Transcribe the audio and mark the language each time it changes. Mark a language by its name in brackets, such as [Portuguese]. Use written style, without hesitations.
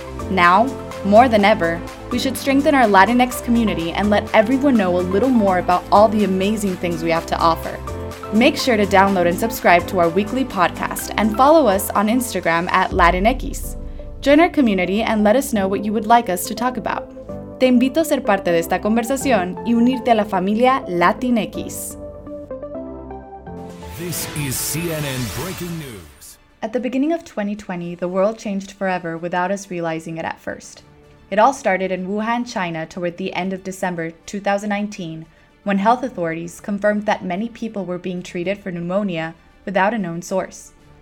[English] Now, more than ever, we should strengthen our Latinx community and let everyone know a little more about all the amazing things we have to offer. Make sure to download and subscribe to our weekly podcast and follow us on Instagram at Latinx. Join our community and let us know what you would like us to talk about. [Spanish] Te invito a ser parte de esta conversación y unirte a la familia Latinx. [English] This is CNN Breaking News. At the beginning of 2020, the world changed forever without us realizing it at first. It all started in Wuhan, China, toward the end of December 2019, when health authorities confirmed that many people were being treated for pneumonia without a known source.